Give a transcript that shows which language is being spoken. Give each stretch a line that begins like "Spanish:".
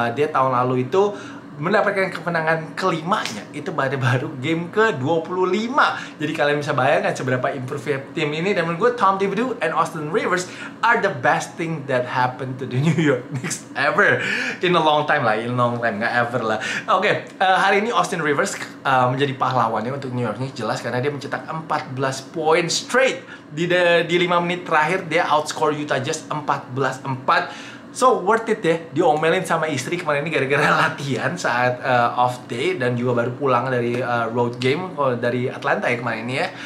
Indonesian: Dia tahun lalu itu mendapatkan kemenangan kelimanya, itu baru game ke-25. Jadi kalian bisa bayangkan seberapa improve tim ini. Dan menurut gue,
English: Tom Thibodeau and Austin Rivers are the best thing that happened to the New York Knicks ever. In a long time, gak ever lah.
Indonesian: Okay, hari ini Austin Rivers menjadi pahlawannya untuk New York Knicks. Jelas karena dia mencetak 14 poin straight. Di 5 menit terakhir, dia outscore Utah Jazz 14-4.
English: So worth it
Indonesian: deh, diomelin sama istri kemarin ini gara-gara latihan saat off day dan juga baru pulang dari road game dari Atlanta ya kemarin ini ya.